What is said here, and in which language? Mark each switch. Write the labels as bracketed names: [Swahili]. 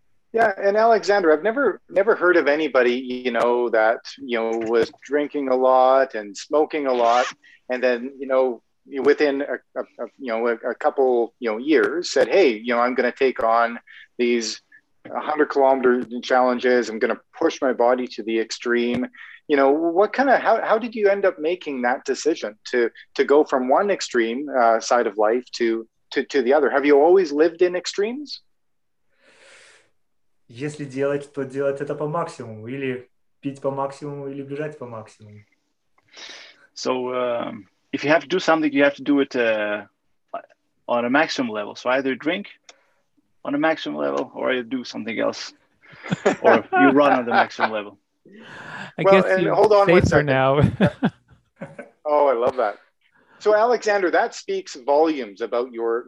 [English] Yeah, and Alexander, I've never heard of anybody, you know, that, you know, was drinking a lot and smoking a lot, and then, you know, within a couple years said, hey, you know, I'm going to take on these 100 kilometer challenges, I'm going to push my body to the extreme. You know, what kind of, how did you end up making that decision to go from one extreme side of life to the other? Have you always lived in extremes? [Russian] Если делать, то делать это по максимуму, или пить по максимуму, или бежать по максимуму. [English] So, if you have to do something, you have to do it on a maximum level. So either drink on a maximum level, or you do something else, or you run on the maximum level. I guess, hold on one second. Oh, I love that. So, Alexander, that speaks volumes about your.